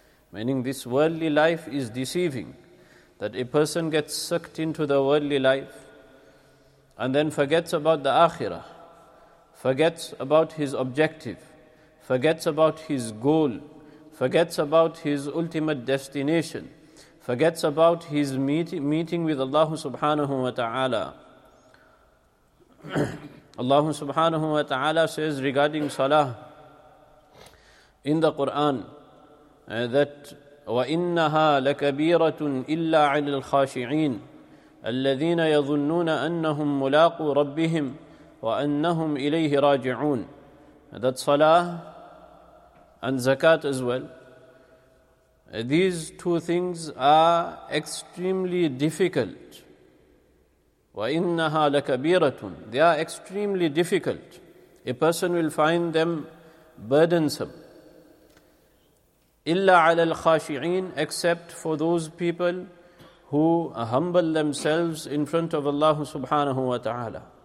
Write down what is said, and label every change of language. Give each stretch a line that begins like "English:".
English: Meaning this worldly life is deceiving. That a person gets sucked into the worldly life and then forgets about the Akhirah, forgets about his objective, forgets about his goal, forgets about his ultimate destination, forgets about his meeting with Allah subhanahu wa ta'ala. Allah subhanahu wa ta'ala says regarding Salah in the Quran that
Arabic: وَإِنَّهَا لَكَبِيرَةٌ إِلَّا عَلَى الْخَاشِعِينَ الَّذِينَ يَظُنُّونَ أَنَّهُمْ مُلَاقُوا رَبِّهِمْ وَأَنَّهُمْ إِلَيْهِ رَاجِعُونَ.
English: That salah and zakat as well, these two things are extremely difficult.
Arabic: وَإِنَّهَا لَكَبِيرَةٌ,
English: they are extremely difficult. A person will find them burdensome.
Arabic: إِلَّا عَلَى الْخَاشِعِينَ,
English: except for those people who humble themselves in front of Allah subhanahu wa ta'ala.